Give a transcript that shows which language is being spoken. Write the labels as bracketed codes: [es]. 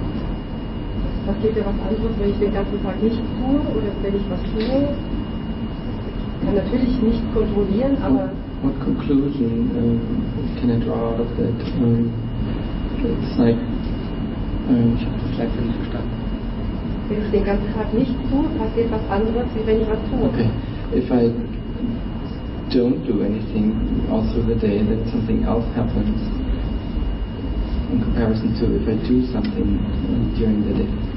[de] Den ganzen Tag nicht tue oder wenn ich was tue, kann natürlich nicht kontrollieren, aber. [en] What conclusion can I draw out of that? It's like, [de] ich habe das gleich nicht verstanden. Wenn ich den ganzen Tag nicht tue, passiert was anderes, wie wenn ich was tue. [en] Okay, if I don't do anything all through the day, that something else happens in comparison to if I do something during the day.